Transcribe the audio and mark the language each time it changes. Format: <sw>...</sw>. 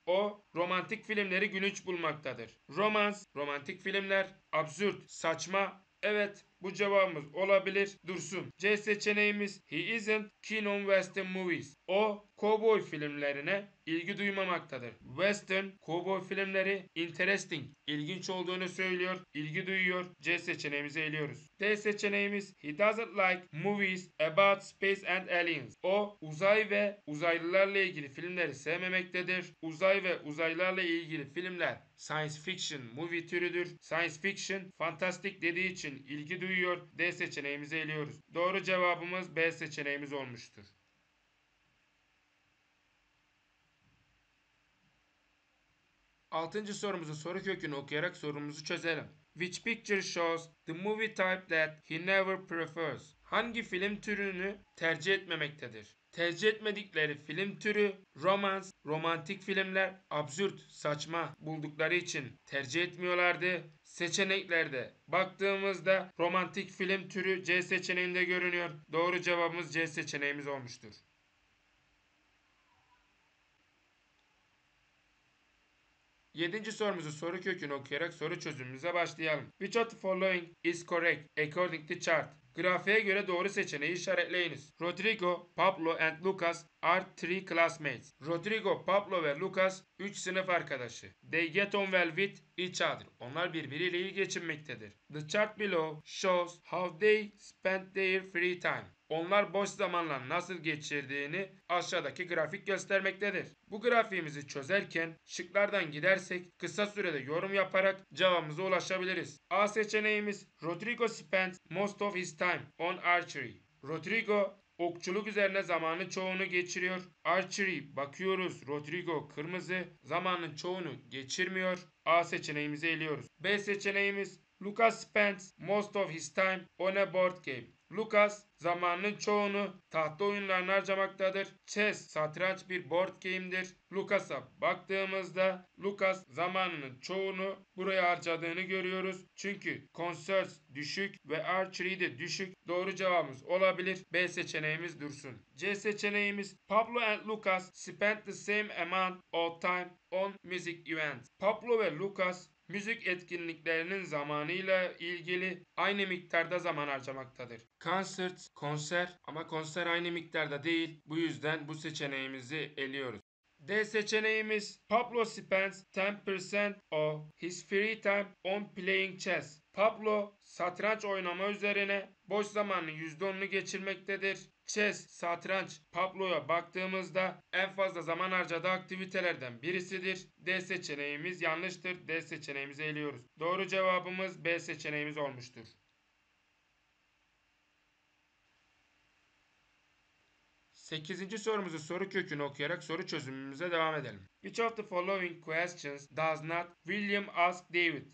<tr>O, romantik filmleri gülünç bulmaktadır. Romance, romantik filmler, absürt, saçma. Evet, bu cevabımız olabilir. Dursun. C seçeneğimiz,</tr> <en>he isn't keen on western movies.</en> <tr>O, cowboy filmlerine ilgi duymamaktadır. Western, cowboy filmleri interesting, ilginç olduğunu söylüyor, ilgi duyuyor. C seçeneğimizi eliyoruz. D seçeneğimiz,</tr> <en>he doesn't like movies about space and aliens.</en> <tr>O, uzay ve uzaylılarla ilgili filmleri sevmemektedir. Uzay ve uzaylılarla ilgili filmler science fiction movie türüdür. Science fiction, fantastic dediği için ilgi duyuyor. D seçeneğimizi eliyoruz. Doğru cevabımız B seçeneğimiz olmuştur. Altıncı sorumuzu soru kökünü okuyarak sorumuzu çözelim.</tr> <en>Which picture shows the movie type that he never prefers?</en> <tr>Hangi film türünü tercih etmemektedir? Tercih etmedikleri film türü romance, romantik filmler, absürt, saçma buldukları için tercih etmiyorlardı. Seçeneklerde baktığımızda romantik film türü C seçeneğinde görünüyor. Doğru cevabımız C seçeneğimiz olmuştur. Yedinci sorumuzu soru kökünü okuyarak soru çözümümüze başlayalım.</tr> <en>Which of the following is correct according to chart?</en> <tr>Grafiğe göre doğru seçeneği işaretleyiniz.</tr> <en>Rodrigo, Pablo and Lucas are three classmates.</en> <tr>Rodrigo, Pablo ve Lucas 3 sınıf arkadaşı.</tr> <en>They get on well with each other.</en> <tr>Onlar birbiriyle iyi geçinmektedir.</tr> <en>The chart below shows how they spend their free time.</en> <tr>Onlar boş zamanla nasıl geçirdiğini aşağıdaki grafik göstermektedir. Bu grafiğimizi çözerken şıklardan gidersek kısa sürede yorum yaparak cevabımıza ulaşabiliriz. A seçeneğimiz</tr> <en>Rodrigo spends most of his time on archery.</en> <tr>Rodrigo okçuluk üzerine zamanı çoğunu geçiriyor. Archery bakıyoruz Rodrigo kırmızı zamanın çoğunu geçirmiyor. A seçeneğimizi eliyoruz. B seçeneğimiz</tr> <en>Lucas spends most of his time on a board game.</en> <tr>Lucas zamanının çoğunu tahta oyunlarına harcamaktadır. Chess satranç bir board game'dir. Lucas'a baktığımızda Lucas zamanının çoğunu buraya harcadığını görüyoruz. Çünkü concerts düşük ve archery de düşük. Doğru cevabımız olabilir. B seçeneğimiz dursun. C seçeneğimiz</tr> <en>Pablo and Lucas spent the same amount of time on music events.</en> <tr>Pablo ve Lucas müzik etkinliklerinin zamanıyla ilgili aynı miktarda zaman harcamaktadır. Concert, konser ama konser aynı miktarda değil. Bu yüzden bu seçeneğimizi eliyoruz. D seçeneğimiz</tr> <en>Pablo spends 10% of his free time on playing chess.</en> <tr>Pablo satranç oynama üzerine boş zamanını %10'unu geçirmektedir. Chess, satranç Pablo'ya baktığımızda en fazla zaman harcadığı aktivitelerden birisidir. D seçeneğimiz yanlıştır. D seçeneğimizi eliyoruz. Doğru cevabımız B seçeneğimiz olmuştur. Sekizinci sorumuzu soru kökünü okuyarak soru çözümümüze devam edelim.</tr> <en>Which of the following questions does not William ask David?</en>